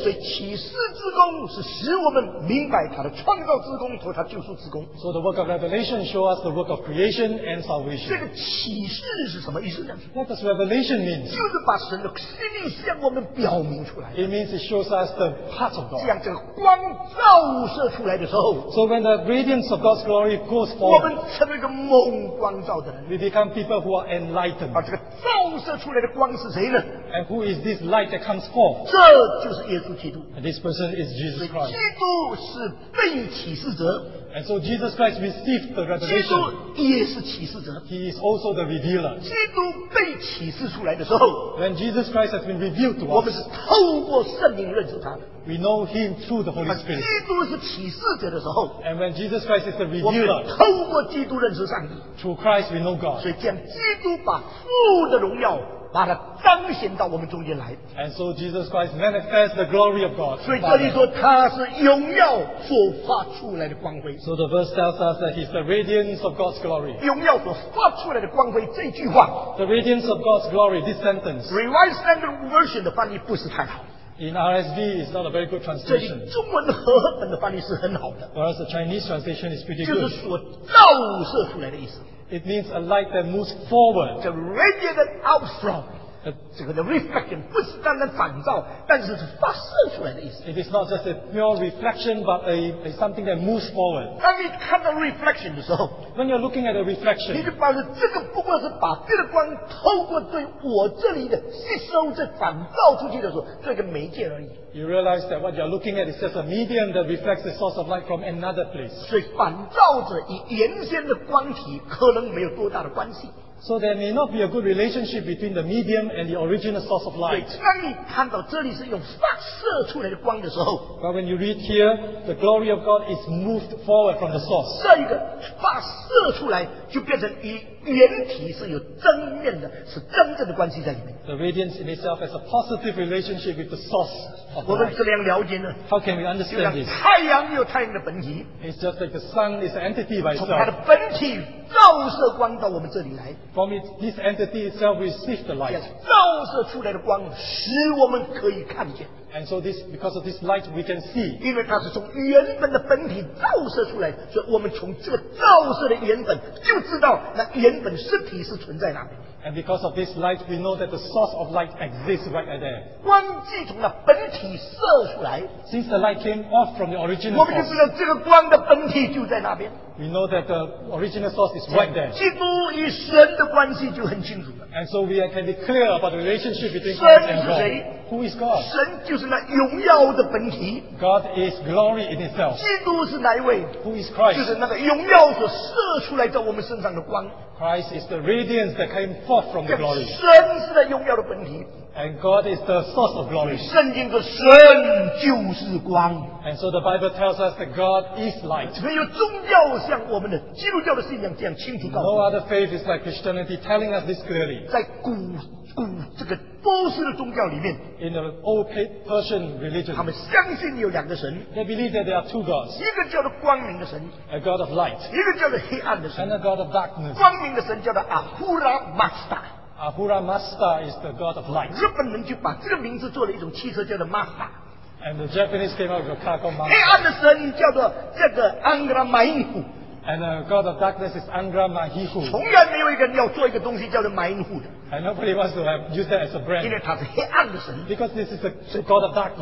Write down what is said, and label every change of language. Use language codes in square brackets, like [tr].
[zh] 所以启示之功是使我们明白他的创造之功和他救赎之功。 [en] So the work of revelation shows us the work of creation and salvation. [zh] 这个启示是什么意思呢？ [en] What does revelation mean? [zh] 就是把神的心意向我们表明出来。 [en] It means it shows us the parts of God. [zh] 这样这个光照射出来的时候， [en] So when the radiance of God's glory goes forth, [zh] 我们成为一个蒙光照。 [en] We become people who are enlightened. [zh] 把这个照射出来的光是谁呢？ [en] And who is this light that comes forth? [zh] 这就是耶稣基督。 [en] And this person is Jesus Christ. [zh] 基督是被启示者。 [en] And so Jesus Christ received the revelation. [zh] 基督也是启示者。 [en] He is also the revealer. [zh] 基督被启示出来的时候， [en] When Jesus Christ has been revealed to us, [zh] 我们是透过圣灵认识他的。 [en] We know Him through the Holy Spirit. [zh] 基督是启示者的时候， [en] And when Jesus Christ is the revealer, [zh] 我们透过基督认识上帝。 [en] Through Christ we know God. [zh] 所以将基督把父的荣耀把它彰显到我们中间来。 [en] And so Jesus Christ manifests the glory of God. [zh] 所以这里说他是荣耀所发出来的光辉。 [en] So the verse tells us that He's the radiance of God's glory. [zh] 荣耀所发出来的光辉这句话。 [en] The radiance of God's glory, this sentence. [zh] Revised Standard Version 的翻译不是太好。 [en] In RSV, it's not a very good translation. [zh] 这里中文和本的翻译是很好的。 [en] Whereas the Chinese translation is pretty good. [zh] 就是所照射出来的意思。 [en] It means a light that moves forward. The radiant out from. [zh] 这个 [en] the reflection [zh] 不是单单反照，但是是发射出来的意思。 [en] It is not just a pure reflection, but a something that moves forward. [zh] 当你看到 reflection 的时候， [en] when you're looking at a reflection, [zh] 你就把这个不过是把这个光透过对我这里的吸收，再反照出去的时候，做一个媒介而已。 [en] You realize that what you're looking at is just a medium that reflects the source of light from another place. [zh] 所以反照者与原先的光体可能没有多大的关系。 [en] So there may not be a good relationship between the medium and the original source of light. [zh] 对，当你看到这里是用发射出来的光的时候， [en] But when you read here, the glory of God is moved forward from the source. [zh] 这一个发射出来就变成一原体是有正面的，是真正的关系在里面。 [en] The radiance in itself has a positive relationship with the source of [zh] light. 我们怎么样了解呢？ [en] How can we understand this? [zh] 太阳有太阳的本体。 [en] It's just like the sun is an entity by itself. [zh] 从它的本体照射光到我们这里来。 [en] From it, this entity itself receives the light. [zh] 照射出来的光使我们可以看见。 [en] And so this, because of this light, we can see. [zh] 因为它是从原本的本体照射出来，所以我们从这个照射的原本就知道那原本实体是存在哪里。 [en] And because of this light, we know that the source of light exists right there. [zh] 光既从那本体射出来， [en] since the light came off from the original [zh] source, 我们就知道这个光的本体就在那边。 [en] We know that the original source is right there. [zh] 基督与神的关系就很清楚了。 [en] And so we can be clear about the relationship between God and God. Who is God? [zh] 神就是那荣耀的本体。 [en] God is glory in itself. [zh] 基督是哪一位？ [en] Who is Christ? [zh] 就是那个荣耀所射出来在我们身上的光。 [en] Christ is the radiance that came forth from the glory. [zh] 神是那荣耀的本体。 [en] And God is the source of glory. [zh] 圣经说神就是光。 [en] And so the Bible tells us that God is light. [zh] 没有宗教像我们的基督教的信仰这样清楚告诉我们。 [en] No other faith is like Christianity telling us this clearly. [zh] 在古这个波斯的宗教里面， [en] In the old Persian religion, [zh] 他们相信有两个神。 [en] They believe that there are two gods. [zh] 一个叫做光明的神， [en] A God of light. [zh] 一个叫做黑暗的神， [en] And a God of darkness. [zh] 光明的神叫做 Ahura Mazda。 [en] Ahura Mazda is the god of light. [zh] 日本人就把这个名字做了一种汽车叫做 Mazda. [en] And the Japanese came out with a car called Mazda. [zh] 黑暗的神叫做这个 Angra Mainhu. [en] And the god of darkness is Angra Mainhu. [zh] 从来没有一个人要做一个东西叫做 Mainhu 的。 [en] And nobody wants to have use that as a brand. [zh] 因为他是黑暗的神。 [en] Because this is the god of darkness.